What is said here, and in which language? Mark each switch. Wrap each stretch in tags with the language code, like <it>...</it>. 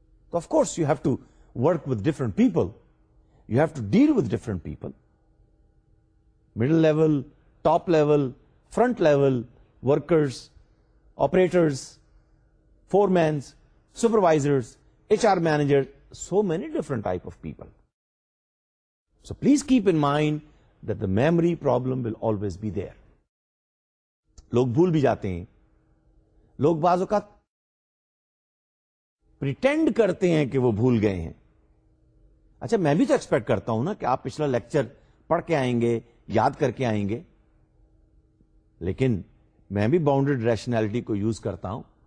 <en>تو of course you have to work with different people, you have to deal with different people, middle level, top level, front level workers, operators, foremen, supervisors, H R manager, so many different type of people. So please keep in mind that the memory problem will always be there.</en> <ur>لوگ بھول بھی جاتے ہیں، لوگ بعض اوقات pretend کرتے ہیں کہ وہ بھول گئے ہیں. اچھا میں بھی تو ایکسپیکٹ کرتا ہوں نا کہ آپ پچھلا لیکچر پڑھ کے آئیں گے، یاد کر کے آئیں گے، لیکن میں بھی باؤنڈڈ ریشنلٹی کو یوز کرتا ہوں.</ur>